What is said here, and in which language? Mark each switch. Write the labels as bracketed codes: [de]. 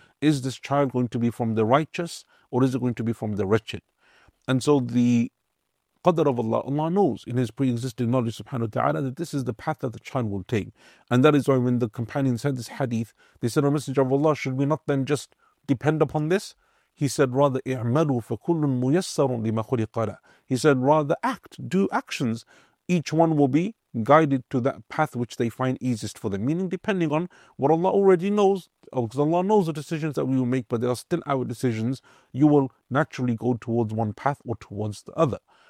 [en] Is this child going to be from the righteous, or is it going to be from the wretched? And so the Qadr of Allah, Allah knows in His pre-existing knowledge, subhanahu wa ta'ala, that this is the path that the child will take. And that is why when the companions heard this hadith, they said, O Messenger of Allah, should we not then just depend upon this? He said, rather, [ar] اِعْمَلُوا فَكُلٌ مُيَسَّرٌ لِمَا خُلِقَ لَهُ. [en] He said, rather, act, do actions. Each one will be guided to that path which they find easiest for them. Meaning, depending on what Allah already knows, because Allah knows the decisions that we will make, but they are still our decisions, you will naturally go towards one path or towards the other.